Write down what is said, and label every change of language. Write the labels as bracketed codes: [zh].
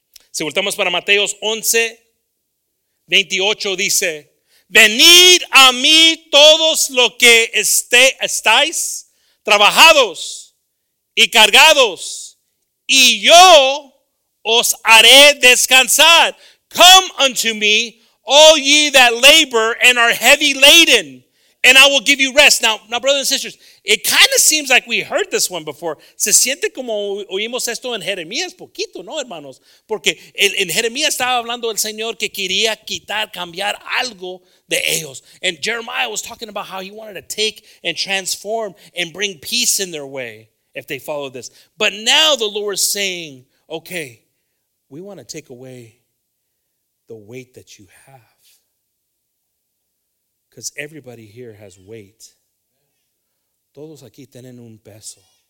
[es] Si voltamos para Mateo 11, 28 dice, venid a mí todos los que estáis trabajados y cargados, y yo os haré descansar. [en] Come unto me, all ye that labor and are heavy laden, and I will give you rest. Now, brothers and sisters, it kind of seems like we heard this one before. [es] Se siente como oímos esto en Jeremías poquito, ¿no, hermanos? Porque en Jeremías estaba hablando el Señor que quería quitar, cambiar algo de ellos. [en] And Jeremiah was talking about how he wanted to take and transform and bring peace in their way if they follow this. But now the Lord is saying, okay, we want to take away the weight that you have. Because everybody here has weight. [es] Todos aquí tienen un peso.